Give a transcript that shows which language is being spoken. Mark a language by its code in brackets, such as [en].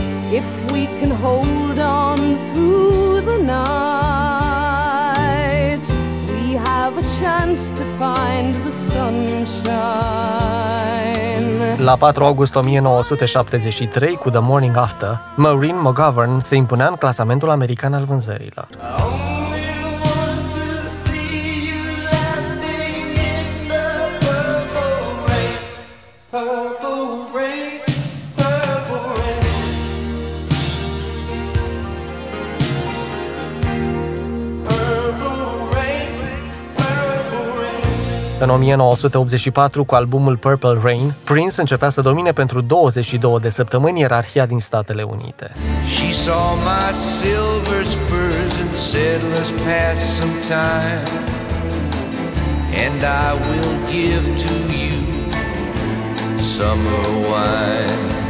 [en] If we can hold on through the night, we have a chance to find the sunshine. [ro] La 4 august 1973, cu The Morning After, Maureen McGovern se impunea în clasamentul american al vânzărilor. În 1984, cu albumul Purple Rain, Prince începea să domine pentru 22 de săptămâni ierarhia din Statele Unite. [en] She saw my silver spurs and said, let's pass some time, and I will give to you summer wine.